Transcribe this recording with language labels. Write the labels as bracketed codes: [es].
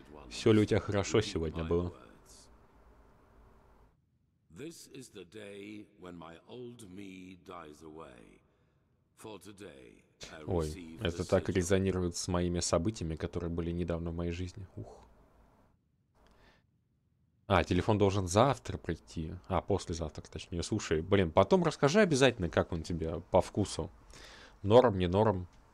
[ru] Все ли у тебя хорошо сегодня было? [en] This is the day when my old me dies away. For today I receive. [ru] Ой, это так резонирует с моими событиями, которые были недавно в моей жизни. Ух. А, телефон должен завтра прийти. А, послезавтра, точнее. Слушай, блин, потом расскажи обязательно, как он тебе по вкусу. Норм, не норм.